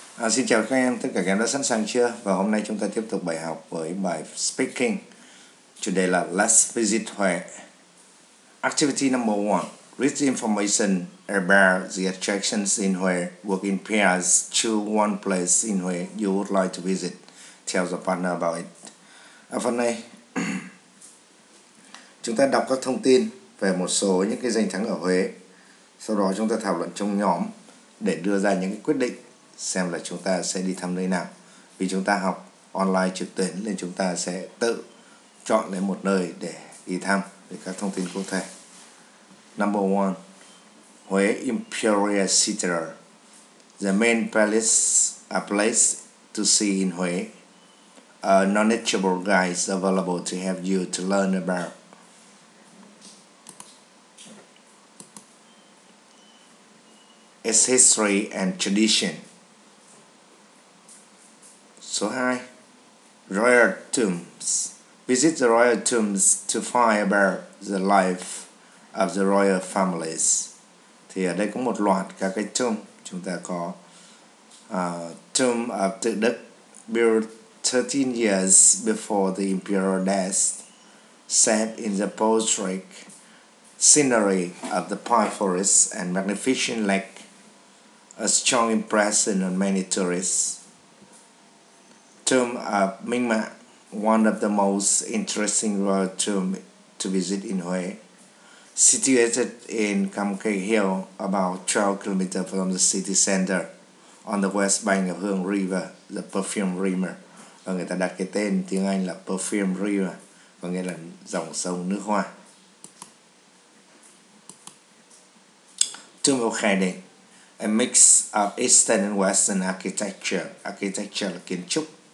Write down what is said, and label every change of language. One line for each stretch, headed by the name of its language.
Vietnamese: Xin chào các em, tất cả các em đã sẵn sàng chưa? Và hôm nay chúng ta tiếp tục bài học với bài speaking. Chủ đề là
English: Let's visit Huế. Activity number one. Read the information about the attractions in Huế. Work in pairs. Choose one place in Huế you would like to visit. Tell the partner about it.
Vietnamese: Ở phần này, chúng ta đọc các thông tin về một số những cái danh thắng ở Huế. Sau đó chúng ta thảo luận trong nhóm để đưa ra những cái quyết định xem là chúng ta sẽ đi thăm nơi nào. Vì chúng ta học online trực tuyến nên chúng ta sẽ tự chọn lấy một nơi để đi thăm để các thông tin cụ thể.
English: Number one, Huế Imperial Theatre. The main palace, a place to see in Huế. A knowledgeable guide available to help you to learn about. Its history and tradition.
Vietnamese: Số 2.
English: Royal tombs. Visit the royal tombs to find about the life of the royal families.
Vietnamese: Thì ở đây có một loạt các cái tomb. Chúng ta có
English: tomb of Tự Đức, built 13 years before the imperial death, set in the portrait scenery of the pine forest and magnificent lake. A strong impression on many tourists. Tomb of Minh Mạng, one of the most interesting royal tombs to visit in Huế. Situated in Cam Khe Hill, about 12 kilometers from the city center, on the west bank of Hương River, the Perfume River.
Vietnamese: Và người ta đặt cái tên tiếng Anh là Perfume River, có nghĩa là dòng sông nước hoa.
English: Tomb of Khai Định. A mix of Eastern and Western architecture.
Vietnamese: Architecture là kiến trúc.